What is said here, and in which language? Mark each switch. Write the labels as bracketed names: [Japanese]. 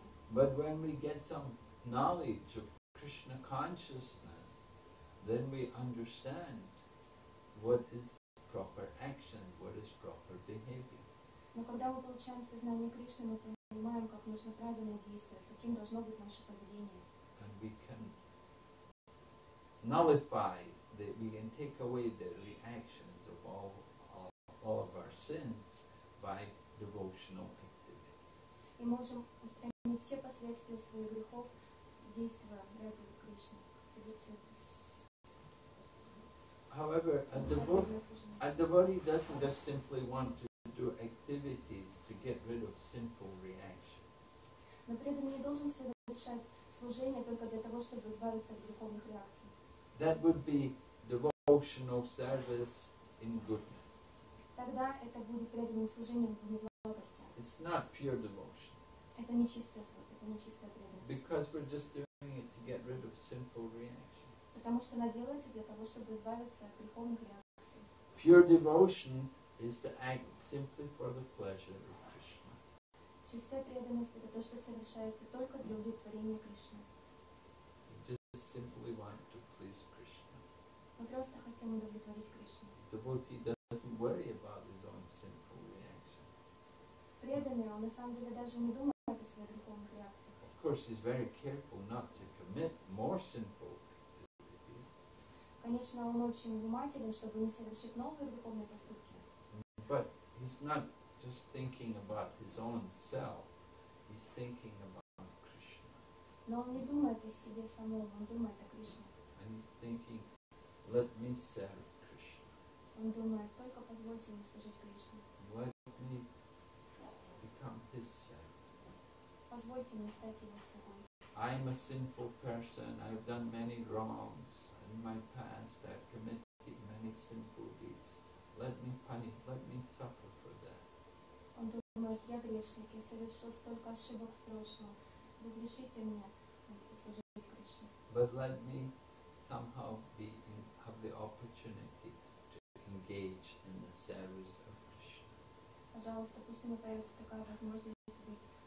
[English] But when we get some knowledge of Krishna consciousness, then we understand what is proper action, what is proper behavior. [Russian] Но когда мы получаем сознание Кришны, мы понимаем, как нужно правильно действовать, каким должно быть наше поведение. [English] And we can nullify, we can take away the reactions of all of our sins by devotional activity. [Russian] И можем устранить все последствия своих грехов, действуя ради Кришны. [English] However, a devotee doesn't just simply want to do activities to get rid of sinful reactions. [Russian] Но преданный не должен совершать служение только для того, чтобы избавиться от греховных реакций. [English] That would be devotional service in goodness. [Russian] Тогда это будет преданным служением в неблагости. [English] It's not pure devotion. [Russian] Это не чистое служение. Нечистая [English] because we're just doing it to get rid of sinful reaction. [Russian] Потому что она делается для того, чтобы избавиться от греховных реакций. [English] Pure devotion is to act simply for the pleasure of Krishna. [Russian] Чистая преданность это то, что совершается только для удовлетворения Кришны. [English] Just simply want to please Krishna. [Russian] Мы просто хотим удовлетворить Кришну. [English] Devotee doesn't worry about his own sinful reactions. [Russian] Преданный, он на самом деле даже не думает. [English] Of course, he's very careful not to commit more sinful activities. [Russian] Конечно, он очень внимателен, чтобы не совершить новые греховные поступки. [English] But he's not just thinking about his own self; he's thinking about Krishna. [Russian] Но он не думает о себе самом, он думает о Кришне. [English] And he's thinking, "Let me serve Krishna." [Russian] Он думает только позвольте мне служить Кришне. [English] Let me become his servant. I'm a sinful person. I've done many wrongs in my past. I've committed many sinful deeds. Let me suffer for that. [Russian] Он думает, я грешник, я совершил столько ошибок в прошлом. Разрешите мне служить Кришне. [English] But let me somehow have the opportunity to engage in the service of Krishna. [Russian] Пожалуйста, пусть у меня появится такая возможность быть.